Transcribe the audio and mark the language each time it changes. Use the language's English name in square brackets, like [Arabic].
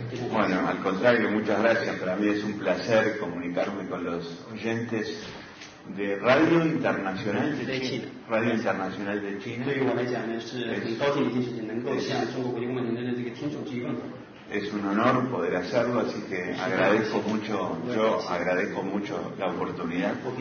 [Spanish] Bueno, al contrario, muchas gracias. Para mí es un placer comunicarme con los oyentes de Radio Internacional de China. Radio Internacional de China. [Chinese] 对于我来讲呢，是很高兴的一件事情，能够向中国国际广播电台的这个听众提问。 [Spanish] Es un honor poder hacerlo, así que agradezco mucho, yo agradezco mucho la oportunidad.